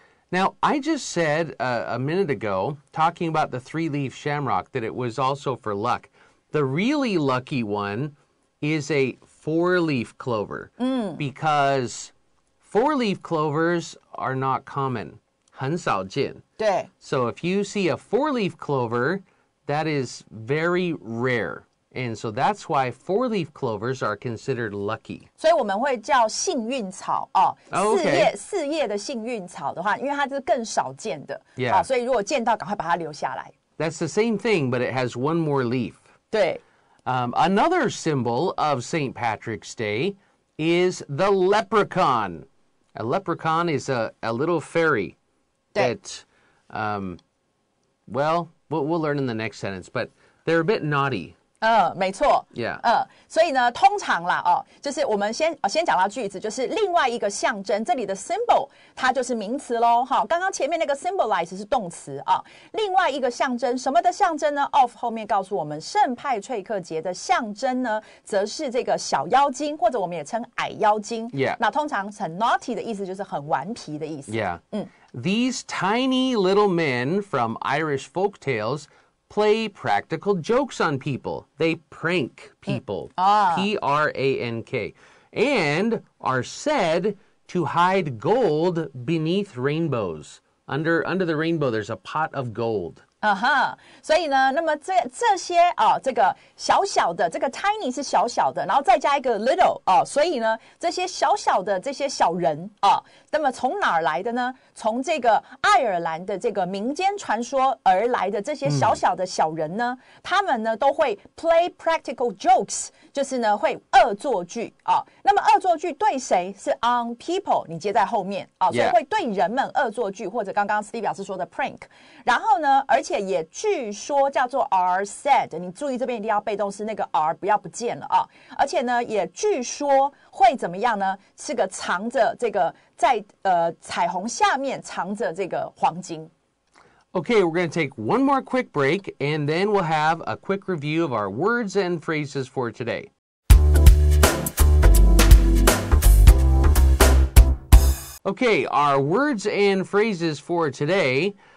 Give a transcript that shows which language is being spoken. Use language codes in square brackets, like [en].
[en] Now I just said a minute ago talking about the three leaf shamrock that it was also for luck the really lucky one is afour-leaf clover,、 mm. because four-leaf clovers are not common, [zh] 很少见对 [en] So if you see a four-leaf clover, that is very rare. And so that's why four-leaf clovers are considered lucky. [zh] 所以我们会叫幸运草、哦 oh, okay. 四叶的幸运草的话，因为它是更少见的、 yeah. 啊、所以如果见到，赶快把它留下来 [en] That's the same thing, but it has one more leaf. [zh] 对 [en] Another symbol of St. Patrick's Day is the leprechaun. A leprechaun is a little fairy that, well, we'll learn in the next sentence, but they're a bit naughty. [zh] 没错。 Yeah. 所以呢，通常啦，哦，就是我们先讲到句子，就是另外一个象征，这里的 symbol 它就是名词咯，哦，刚刚前面那个 symbolize 是动词，哦，另外一个象征，什么的象征呢？ of 后面告诉我们，圣派翠克节的象征呢，则是这个小妖精，或者我们也称矮妖精。 Yeah. 那通常很 naughty 的意思就是很顽皮的意思。 Yeah. [en] These tiny little men from Irish folk tales play practical jokes on people. They prank people. P-R-A-N-K. And are said to hide gold beneath rainbows. Under the rainbow, there's a pot of gold. Uh-huh. [zh] 所以呢，那么 这些，哦，这个小小的，这个 tiny 是小小的，然后再加一个 little，哦，所以呢，这些小小的这些小人，哦，那么从哪儿来的呢？从这个爱尔兰的这个民间传说而来的这些小小的小人呢，他们呢都会 [en] play practical jokes， [zh] 就是呢会恶作剧，哦，那么恶作剧对谁？是 [en] on people， [zh] 你接在后面，哦，所以会对人们恶作剧，或者刚刚 Steve 表示说的 prank， 然后呢而且也据说叫做 [en] are said， [zh] 你注意这边一定要被动式那个 are 不要不见了啊！而且呢，也据说会怎么样呢？是个藏着这个在彩虹下面藏着这个黄金。 [en] Okay, we're going to take one more quick break, and then we'll have a quick review of our words and phrases for today. Okay, our words and phrases for today.